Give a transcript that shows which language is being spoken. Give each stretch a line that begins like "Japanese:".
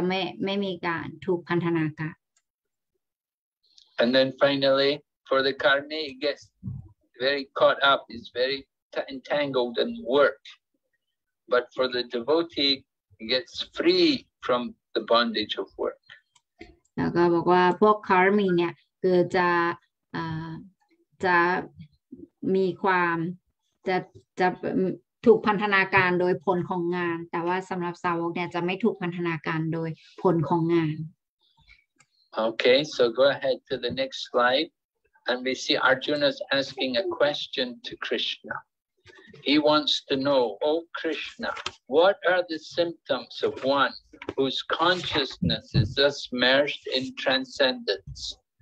Thai: แล้วท่านต่อไปบอกว่าพวกคารมีเนี่ยจะถูกพันธนาการอยู่ในโลกวัตถุแต่ว่าสำหรับสาวกแล้วเนี่ยจะไม่มีการถูกพันธนาการ
English: And then finally, for the karmi, he gets very caught up, he's very entangled in work. But for the devotee, he gets free from the bondage of work.
Thai: แล้วก็บอกว่าพวกคารมีเนี่ยคือจะมีความจะถูกพันธนาการโดยผลของงานแต่ว่าสำหรับสาวกเนี่ยจะไม่ถูกพันธนาการโดยผลของงาน
English: Okay, so go ahead to the next slide. And we see Arjuna's asking a question to Krishna. He wants to know, O Krishna, what are the symptoms of one whose consciousness is thus merged in transcendence?